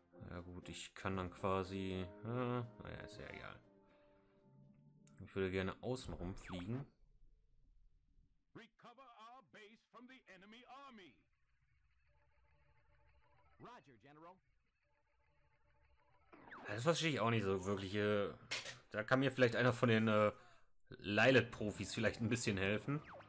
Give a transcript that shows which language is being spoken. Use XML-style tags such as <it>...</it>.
<de>Ja gut, ich kann dann quasi. Naja, ist ja egal. Ich würde gerne außenrum fliegen.</de> <en>Recover our base from the enemy army. Roger, General.</en> <de>Das verstehe ich auch nicht so wirklich. Da kann mir vielleicht einer von den Lilith-Profis vielleicht ein bisschen helfen.</de>